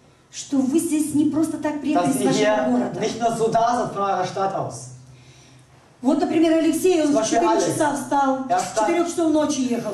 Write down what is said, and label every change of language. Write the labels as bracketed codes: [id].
[ru] что вы здесь не просто так приехали из вашего города. [de] Nicht nur so da seid von eurer Stadt aus. [ru] Вот, например, Алексей, он в 4 часа встал, в 4 часов ночи ехал.